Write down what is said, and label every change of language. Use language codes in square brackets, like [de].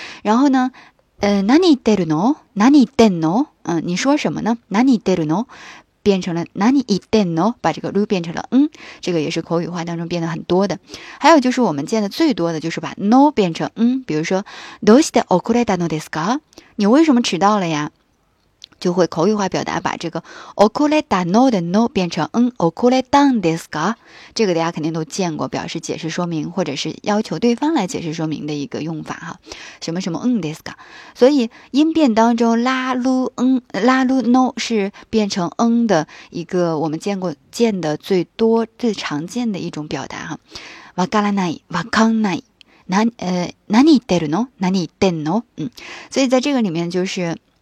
[zh] 然后呢 [ja] 何言ってるの，何言ってんの， [zh] 你说什么呢， [ja] 何言ってるの [zh] 变成了哪里一点呢，把这个루变成了嗯，这个也是口语化当中变得很多的。还有就是我们见的最多的就是把 no 变成嗯，比如说 [ja] どうして遅れたのですか， [zh] 你为什么迟到了呀，就会口语化表达把这个遅れたの的 no 变成嗯， [ja] 遅れたんですか， [zh] 这个大家肯定都见过，表示解释说明或者是要求对方来解释说明的一个用法哈，什么什么嗯ですか。所以音变当中拉鲁嗯拉鲁 no 是变成嗯的一个我们见的最多最常见的一种表达哈。 [ja] わからない、わかんない、な何言ってるの、何言ってんの，嗯， [zh] 所以在这个里面就是。